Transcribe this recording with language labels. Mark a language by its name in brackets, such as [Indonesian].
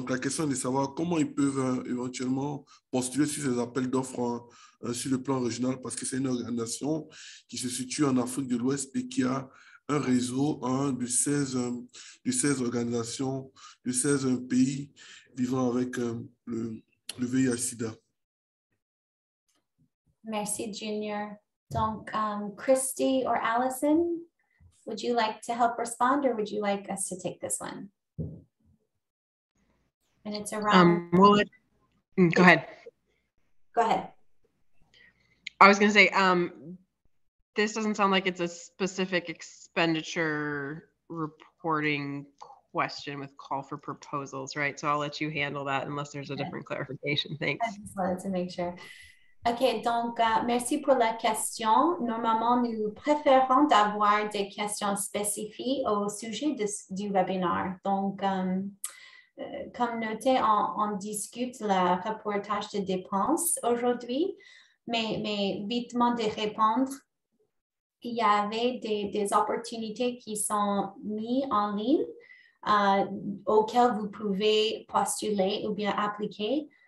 [French] Donc, la question est de savoir comment ils peuvent éventuellement postuler sur ces appels d'offres sur le plan régional, parce que c'est une organisation qui se situe en Afrique de l'Ouest et qui a un réseau de 16 organisations, de 16 pays vivant avec le VIH-Sida. Merci, Junior. [English] Donc, Christy or Allison, would you like to help respond or would you like us to take this one? And it's around... Go ahead. I was going to say, this doesn't sound like it's a specific expenditure reporting question with call for proposals, right? So I'll let you handle that unless there's a different clarification. Thanks. I just wanted to make sure. OK, [French] donc, merci pour la question. Normalement, nous préférons d'avoir des questions spécifiques au sujet du webinaire. Donc, comme noté, on discute le reportage de dépenses aujourd'hui, mais vite de répondre, il y avait des opportunités qui sont mises en ligne auxquelles vous pouvez postuler ou bien appliquer.